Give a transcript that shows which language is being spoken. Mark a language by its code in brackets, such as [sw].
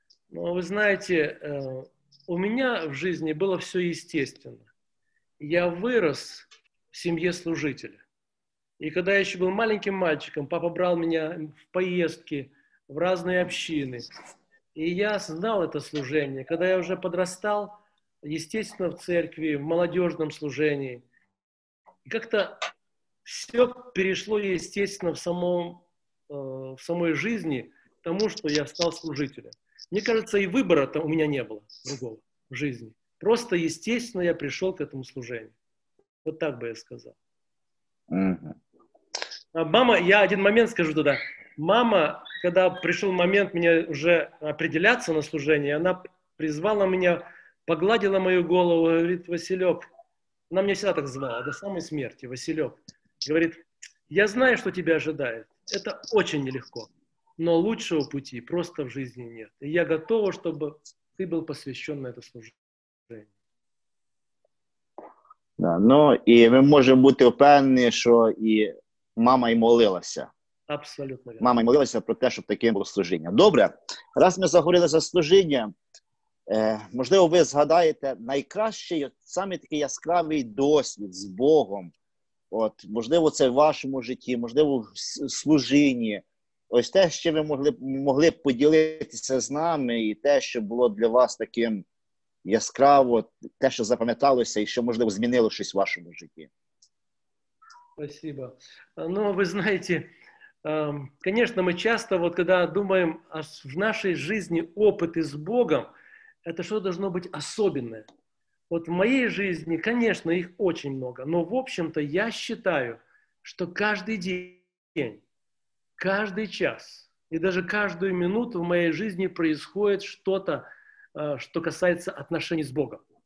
[uk] Ну, ви знаєте, у мене в житті було все [ru] естественно. [uk] Я вирос в сім'ї служителя. І коли я ще був маленьким [ru] мальчиком, [uk] папа брав мене в поїздки, [ru] в разные общины. И я знал это служение. Когда я уже подрастал, естественно, в церкви, в молодежном служении, как-то все перешло, естественно, в самой жизни к тому, что я стал служителем. Мне кажется, и выбора-то у меня не было другого в жизни. Просто, естественно, я пришел к этому служению. Вот так бы я сказал. А мама, я один момент скажу туда. Мама, когда пришел момент мне уже определяться на служение, она призвала меня, погладила мою голову, говорит, Василек, она меня всегда так звала, до самой смерти, Василек, говорит, я знаю, что тебя ожидает, это очень нелегко, но лучшего пути просто в жизни нет. И я готова, чтобы ты был посвящен на это служение. Да, ну и мы можем быть уверены, что и мама и молилась. Абсолютно. [uk] Мама молилася про те, щоб таке було служіння. Добре, раз ми заговорили за служіння, можливо, ви згадаєте найкращий, саме такий яскравий досвід з Богом. От, можливо, це в вашому житті, можливо, в служінні. Ось те, що ви могли б поділитися з нами, і те, що було для вас таким яскраво, те, що запам'яталося, і що, можливо, змінило щось в вашому житті. [ru] Спасибо. [uk] Ну, ви знаєте, [ru] конечно, мы часто, вот когда думаем о, в нашей жизни опыты с Богом, это что должно быть особенное. Вот в моей жизни, конечно, их очень много, но в общем-то я считаю, что каждый день, каждый час и даже каждую минуту в моей жизни происходит что-то, что касается отношений с Богом.